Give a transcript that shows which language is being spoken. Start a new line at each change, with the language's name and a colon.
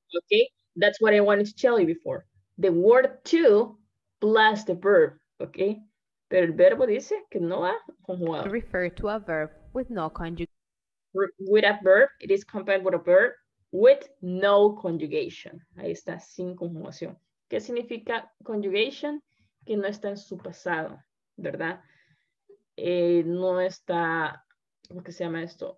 English: Okay, that's what I wanted to tell you before. The word to plus the verb, okay?
Spanish: Pero el verbo dice que no va conjugado.
English: Refer to a verb with no conjugation. With a verb, it is compared with a verb with no conjugation.
Spanish: Ahí está, sin conjugación. ¿Qué significa conjugation? Que no está en su pasado, ¿verdad? No está, ¿cómo que se llama esto?